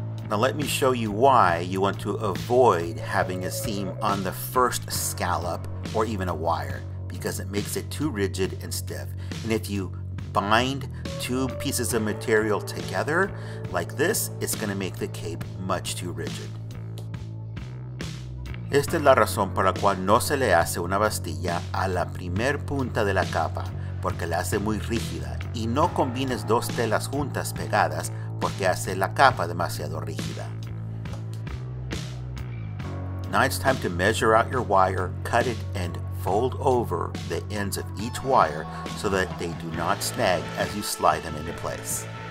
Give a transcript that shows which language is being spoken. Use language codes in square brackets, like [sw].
[en] Now let me show you why you want to avoid having a seam on the first scallop or even a wire, because it makes it too rigid and stiff. And if you bind two pieces of material together like this, it's going to make the cape much too rigid. [es] Esta es la razón por la cual no se le hace una bastilla a la primer punta de la capa, porque la hace muy rígida, y no combines dos telas juntas pegadas porque hace la capa demasiado rígida. [en] Now it's time to measure out your wire, cut it, and fold over the ends of each wire so that they do not snag as you slide them into place.